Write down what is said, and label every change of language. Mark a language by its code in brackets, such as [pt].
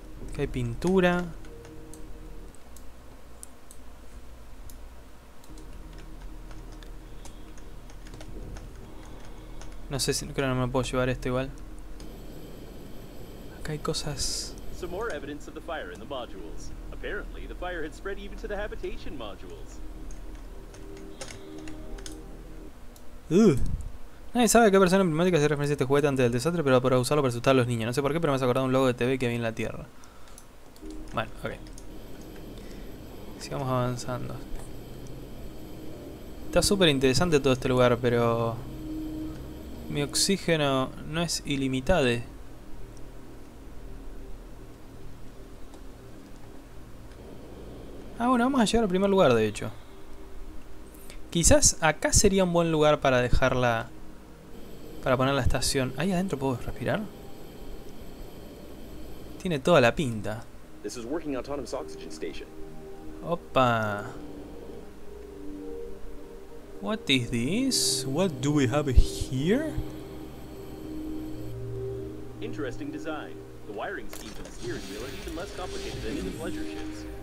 [es] Acá hay pintura. No sé si creo que no me puedo llevar esto igual. Acá hay cosas. [en] Some more evidence of the fire in the modules. Apparently, the fire had spread even to the habitation modules. [es] Nadie sabe a qué persona emblemática hace referencia a este juguete antes del desastre, pero para usarlo para asustar a los niños. No sé por qué, pero me has acordado un logo de TV que vi en la Tierra. Bueno, ok. Sigamos avanzando. Está súper interesante todo este lugar, pero mi oxígeno no es ilimitado. Ah, bueno, vamos a llegar al primer lugar, de hecho. Quizás acá sería un buen lugar para dejarla, para poner la estación. ¿Ahí adentro puedo respirar? Tiene toda la pinta. [en] This is working autonomous oxygen station. [es] Opa. [en] What is this? What do we have here? Interesting design. The wiring schemes in the steering wheel are even less complicated than in the pleasure ships.